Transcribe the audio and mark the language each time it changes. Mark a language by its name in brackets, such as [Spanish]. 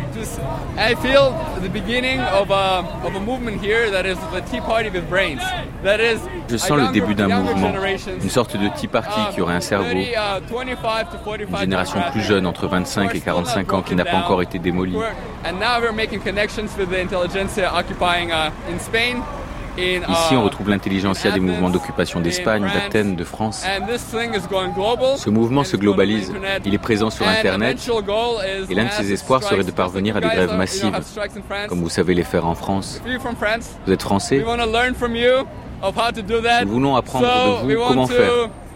[English] Just I feel the beginning of a movement here that is the Tea Party with brains. That is. [French] Je sens le début d'un mouvement, une sorte de Tea Party qui aurait un cerveau. Une génération plus jeune entre 25 et 45 ans qui n'a pas encore été démolie. [English] And now we're making connections with the intelligentsia occupying in Spain. [French] Ici, on retrouve l'intelligentsia des mouvements d'occupation d'Espagne, d'Athènes, de France. Ce mouvement se globalise, il est présent sur Internet, et l'un de ses espoirs serait de parvenir à des grèves massives, comme vous savez les faire en France. Vous êtes français, nous voulons apprendre de vous comment faire.